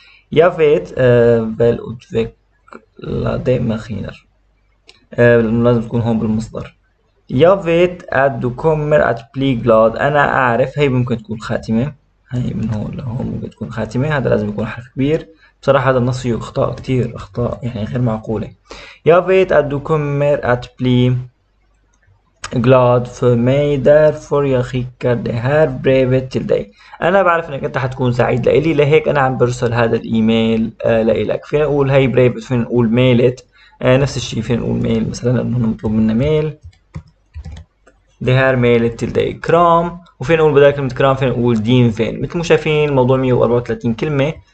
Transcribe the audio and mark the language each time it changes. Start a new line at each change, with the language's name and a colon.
Swedish: Jag vet väl utvecklade maskiner.
Arabic: لازم تكون هون بالمصدر.
Swedish: Jag vet att du kommer att bli glad.
Arabic: انا اعرف هي ممكن تكون خاتمه. هي من هون لهون ممكن تكون خاتمه. هذا لازم يكون حرف كبير. بصراحة هذا النص فيه أخطاء كتير أخطاء يعني غير معقولة.
Swedish: Jag vet att du kommer att bli glad för mig därför jag skickar det här brevet till dig.
Arabic: أنا بعرف إنك أنت حتكون سعيد لإلي لهيك أنا عم برسل هذا الإيميل لإلك. فينا نقول هاي بريفت فينا نقول ميلت نفس الشيء فينا نقول ميل مثلا لأنه مطلوب منا ميل.
Swedish: Det här mejlet till dig. Kram.
Arabic: وفينا نقول بدل كلمة كرام فينا نقول دين فين. مثل ما شايفين الموضوع 134 كلمة.